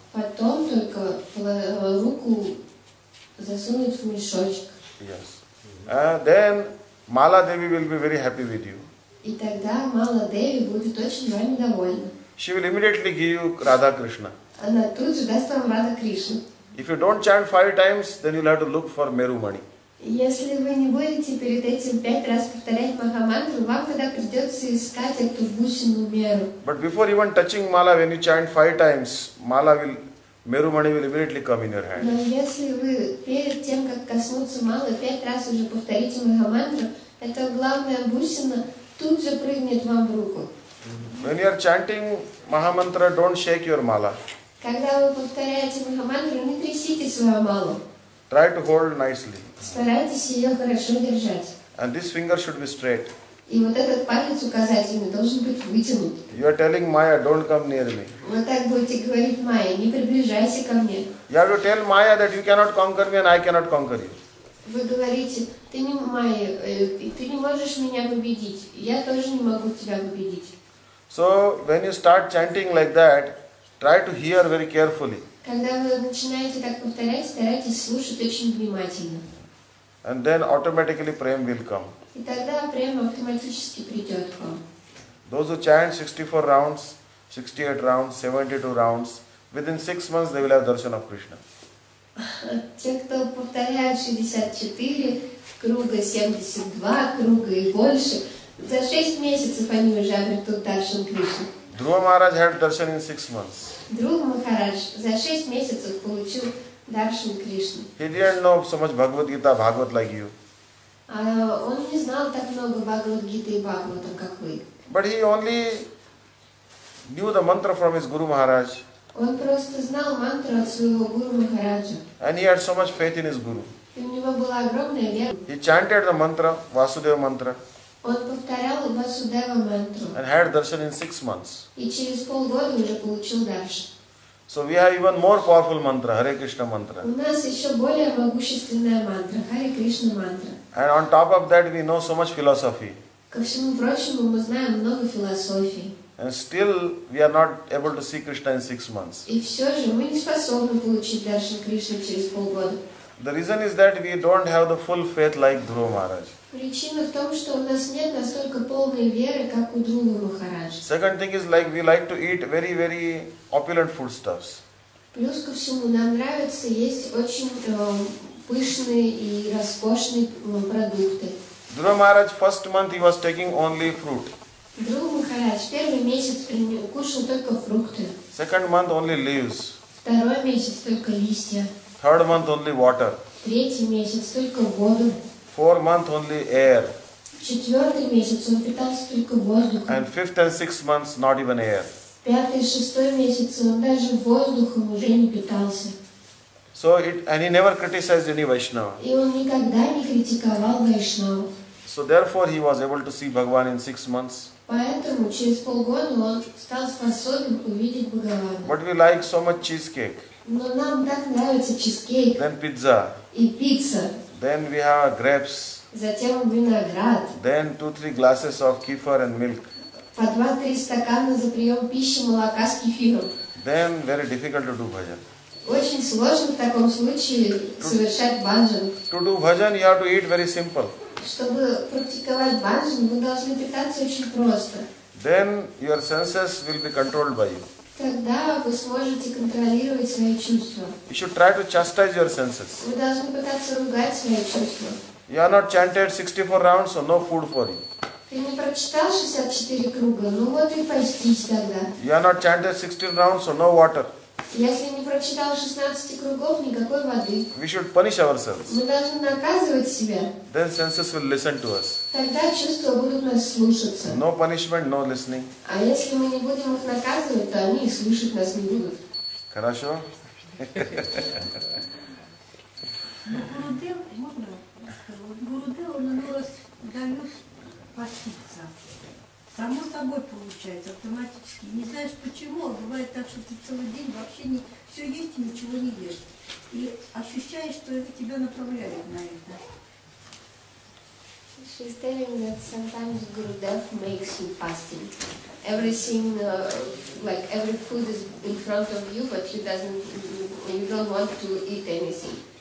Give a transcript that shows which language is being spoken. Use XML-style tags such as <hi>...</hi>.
<ru>Потом только руку засунуть в мешочек.</ru> <en>Yes. Then Mala Devi will be very happy with you.</en> <ru>И тогда Mala Devi будет очень вами довольна.</ru> <en>She will immediately give you Radha Krishna.</en> <ru>Она тут же даст вам Radha Krishna.</ru> <en>If you don't chant 5 times, then you'll have to look for Meru Mani.</en> <ru>Если вы не будете перед этим 5 раз повторять Махамантру, вам тогда придется искать эту бусину меру.</ru> <en>But before even touching Mala, when you chant 5 times, Mala will Merumani will immediately come in your hand.</en> <ru>Но если вы перед тем, как коснуться малы, пять раз уже повторите мегамантру, это главная бусина тут же прыгнет вам в руку.</ru> <en>When you are chanting Mahamantra, don't shake your mala.</en> <ru>Когда вы повторяете мегамантру, не трясите свою малу.</ru> <en>Try to hold nicely.</en> <ru>Старайтесь ее хорошо держать.</ru> <en>And this finger should be straight.</en> <ru>И вот этот палец указательный должен быть вытянут.</ru> <en>You are telling Maya, don't come near me.</en> <ru>Вы так будете говорить Майя, не приближайся ко мне.</ru> <en>You have to tell Maya that you cannot conquer me and I cannot conquer you.</en> <ru>Вы говорите, ты не Майя, ты не можешь меня победить, я тоже не могу тебя победить.</ru> <en>So when you start chanting like that, try to hear very carefully.</en> <ru>Когда вы начинаете так повторять, старайтесь слушать очень внимательно.</ru> <en>And then automatically prema will come.</en> <ru>И тогда према автоматически придет к вам.</ru> <en>Those who chant 64 rounds, 68 rounds, 72 rounds, within 6 months they will have darshan of Krishna.</en> <ru>Те, кто повторяет 64 круга, 72 круга и больше, за 6 месяцев они уже обретут даршан Кришны.</ru> <en>Dhruva Maharaj had darshan in 6 months.</en> <ru>Dhruva Maharaj за 6 месяцев получил даршан Кришны.</ru> <en>He didn't know so much Bhagavad Gita, Bhagavat like you.</en> <ru>Он не знал так много Бхагавад Гиты и Бхагавата, как вы.</ru> <en>But he only knew the mantra from his Guru Maharaj.</en> <ru>Он просто знал мантру от своего Гуру Махараджа.</ru> <en>And he had so much faith in his Guru.</en> <ru>И у него была огромная вера.</ru> <en>He chanted the mantra, Vasudeva mantra.</en> <ru>Он повторял Васудева мантру.</ru> <en>And had darshan in 6 months.</en> <ru>И через полгода уже получил даршан.</ru> <en>So we have even more powerful mantra, Hare Krishna mantra.</en> <ru>У нас еще более могущественная мантра, Hare Krishna mantra.</ru> <en>And on top of that, we know so much philosophy.</en> <ru>Ко всему прочему, мы знаем много философии.</ru> <en>And still, we are not able to see Krishna in 6 months.</en> <ru>И все же, мы не способны получить даршан Кришны через полгода.</ru> <en>The reason is that we don't have the full faith like Dhruva Maharaj.</en> <ru>Причина в том, что у нас нет настолько полной веры, как у Дхрува Махараджа.</ru> <en>Second thing is like we like to eat very, very opulent foodstuffs.</en> <ru>Плюс ко всему, нам нравится есть очень пышные и роскошные продукты.</ru> <en>Dhruva Maharaj, first month he was taking only fruit.</en> <ru>Dhruva Махарадж первый месяц кушал только фрукты.</ru> <en>Second month only leaves.</en> <ru>Второй месяц только листья.</ru> <en>Third month only water.</en> <ru>Третий месяц только воду.</ru> <en>Fourth month only air.</en> <ru>Четвертый месяц он питался только воздухом.</ru> <en>And fifth and sixth months not even air.</en> <ru>Пятый и шестой месяц он даже воздухом уже не питался.</ru> <en>So it and he never criticized any Vaishnava.</en> <ru>И он никогда не критиковал Вайшнава.</ru> <en>So therefore he was able to see Bhagavan in 6 months.</en> <ru>Поэтому через полгода он стал способен увидеть Бхагавана.</ru> <en>But we like so much cheesecake.</en> <ru>Но нам так нравится чизкейк.</ru> <en>Then pizza.</en> <ru>И пицца.</ru> <en>Then we have grapes.</en> <ru>Затем виноград.</ru> <en>Then 2-3 glasses of kefir and milk.</en> <ru>По 2-3 стакана за прием пищи молока с кефиром.</ru> <en>Then very difficult to do bhajan.</en> <ru>Очень сложно в таком случае совершать бхаджан.</ru> <en>To do bhajan you have to eat very simple.</en> <ru>Чтобы практиковать бхаджан, вы должны питаться очень просто.</ru> <en>Then your senses will be controlled by you.</en> <ru>Тогда вы сможете контролировать свои чувства.</ru> <en>You should try to chastise your senses.</en> <ru>Вы должны пытаться ругать свои чувства.</ru> <en>You are not chanted 64 rounds, so no food for you.</en> <ru>Ты не прочитал 64 круга, ну вот и постись тогда.</ru> <en>You are not chanted 16 rounds, so no water.</en> <ru>Если не прочитал 16 кругов, никакой воды.</ru> <en>We should punish ourselves.</en> <ru>Мы должны наказывать себя.</ru> <en>Then senses will listen to us.</en> <ru>Тогда чувства будут нас слушаться.</ru> <en>No punishment, no listening.</en> <ru>А если мы не будем их наказывать, то они и слушать нас не будут. Хорошо? Гурудев, можно сказать, Гурудев, он у нас дает поститься. Само собой получается, автоматически. Не знаешь почему, а бывает так, что ты целый день вообще не все есть и ничего не ешь. И ощущаешь, что это тебя направляет на это.</ru> <en>She's telling that sometimes Guru Dev makes you fasting. Everything, like every food is in front of you, but you don't want to eat anything.</en>